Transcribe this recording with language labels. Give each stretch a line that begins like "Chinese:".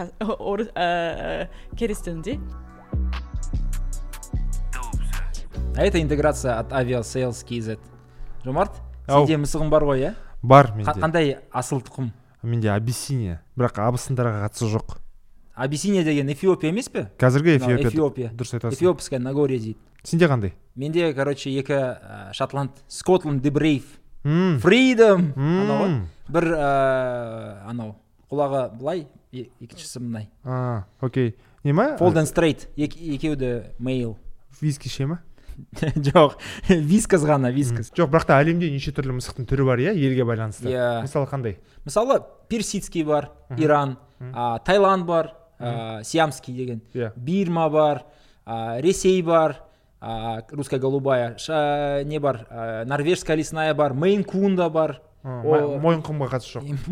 Kazakh: Орыс кәріс тілінде.
Russian: А это интеграция от Aviasales.kz.
Kazakh: Жомарт, сенде мысығың бар ғой, иә? Бар менде. Қандай асыл тұқым? Менде Абиссиния, бірақ абысындарға қатысы жоқ. Абиссиния деген Эфиопия емес пе? Қазіргі Эфиопия. Эфиопия. Дұрыс айтасың. Эфиопская Нагория дейді. Сенде қандай? Менде, короче, екі Шотланд, Скотланд де Брейв. Freedom. Бір анау. Құлағы былай, екіншісі мынай. А, окей. Не ма?
English: Fold and straight.
Kazakh: Екеуі де male. Виски ше ма? Жоқ. Вискас ғана, вискас. Жоқ, бірақ та әлемде неше түрлі мысықтың түрі бар, иә, елге байланысты. Мысалы қандай? Мысалы персидский бар, Иран. Таиланд бар, сиамский деген, Бирма бар, Ресей бар,
Russian: русская голубая,
Kazakh: не бар,
Russian: норвежская лесная
Kazakh: бар, Мейн-кунда бар. Мойынқұмға қатысы жоқ.